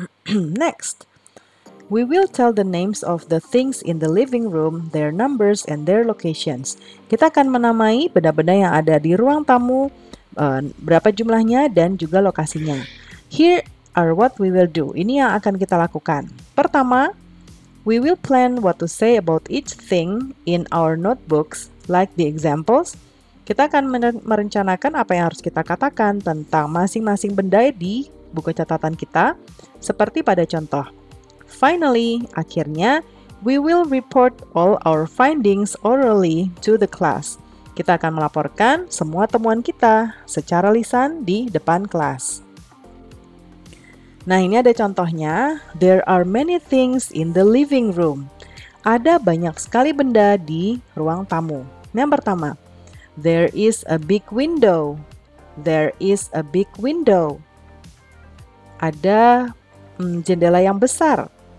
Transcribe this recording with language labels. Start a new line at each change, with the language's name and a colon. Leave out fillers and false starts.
English: Next, we will tell the names of the things in the living room, their numbers, and their locations.
Indonesian: Kita akan menamai benda-benda yang ada di ruang tamu, berapa jumlahnya, dan juga lokasinya.
English: Here are what we will do.
Indonesian: Ini yang akan kita lakukan.
English: Pertama, we will plan what to say about each thing in our notebooks, like the examples.
Indonesian: Kita akan merencanakan apa yang harus kita katakan tentang masing-masing benda di buku catatan kita, seperti pada contoh.
English: Finally, akhirnya, we will report all our findings orally to the class.
Indonesian: Kita akan melaporkan semua temuan kita secara lisan di depan kelas. Nah, ini ada contohnya.
English: There are many things in the living room.
Indonesian: Ada banyak sekali benda di ruang tamu. Yang pertama,
English: there is a big window. There is a big window.
Indonesian: Ada jendela yang besar.